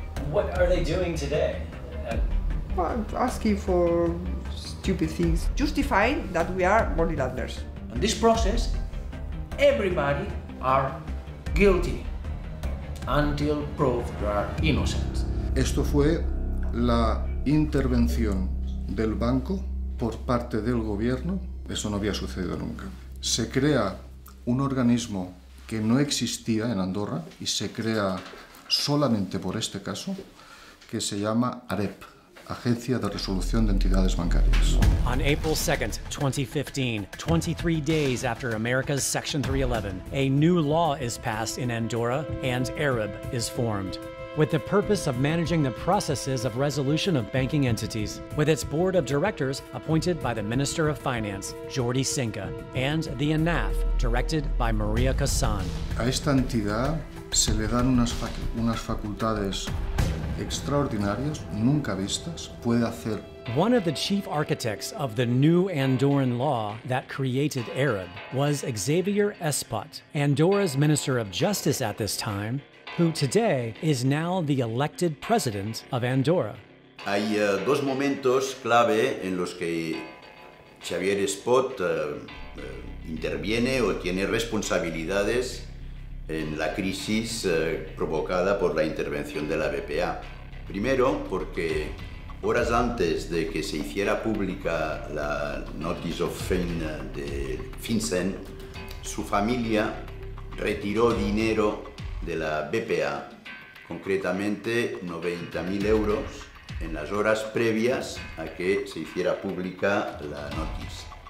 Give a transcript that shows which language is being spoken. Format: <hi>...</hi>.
<en>What are they doing today? Well, asking for stupid things. Justifying that we are money launderers. In this process, everybody are guilty until proved you are innocent.</en> <es>Esto fue la intervención del banco por parte del gobierno. Eso no había sucedido nunca. Se crea un organismo que no existía en Andorra y se crea solamente por este caso, que se llama AREP, Agencia de Resolución de Entidades Bancarias.</es> <en>On April 2nd, 2015, 23 days after America's Section 311, a new law is passed in Andorra and AREP is formed. With the purpose of managing the processes of resolution of banking entities, with its board of directors appointed by the Minister of Finance, Jordi Cinca, and the ANAF, directed by Maria Cassan.</en> <es>A esta entidad se le dan unas facultades extraordinarias, nunca vistas, puede hacer.</es> <en>One of the chief architects of the new Andorran law that created AREP was Xavier Espot, Andorra's Minister of Justice at this time, who today is now the elected president of Andorra.</en> <es>Hay dos momentos clave en los que Xavier Espot interviene o tiene responsabilidades en la crisis provocada por la intervención de la BPA. Primero, porque horas antes de que se hiciera pública la notice of fin de FinCEN, su familia retiró dinero de la BPA, concretamente 90.000 euros en las horas previas a que se hiciera pública la notice.</es>